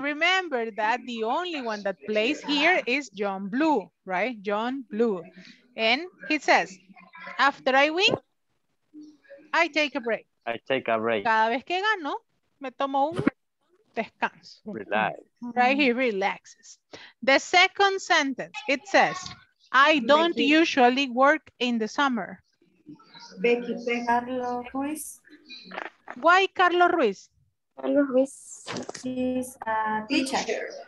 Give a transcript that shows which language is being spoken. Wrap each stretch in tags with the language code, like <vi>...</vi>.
<en>Remember that the only one that plays here is John Blue, right? John Blue. And he says, after I win, I take a break. I take a break.</en> <es>Cada vez que gano, me tomo un descanso.</es> <en>Relax. Right, he relaxes. The second sentence, it says, I don't usually work in the summer. Becky Pejarlo, Luis. Why Carlos Ruiz? Carlos Ruiz is a teacher.</en>